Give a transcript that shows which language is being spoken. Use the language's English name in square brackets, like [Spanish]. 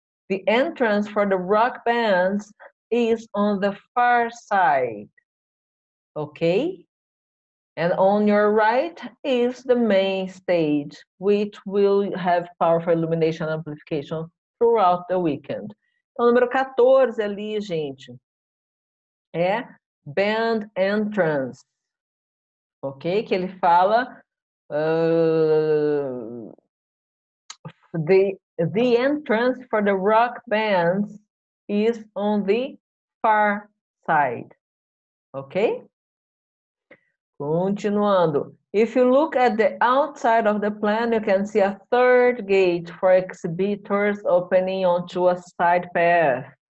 [English] The entrance for the rock bands is on the far side. Okay, and on your right is the main stage, which will have powerful illumination amplification throughout the weekend. [Portuguese] Então, número 14 ali, gente, é band entrance, ok? Que ele fala, [English] the entrance for the rock bands is on the far side, ok? Continuando, if you look at the outside of the plan, you can see a third gate for exhibitors opening onto a side path.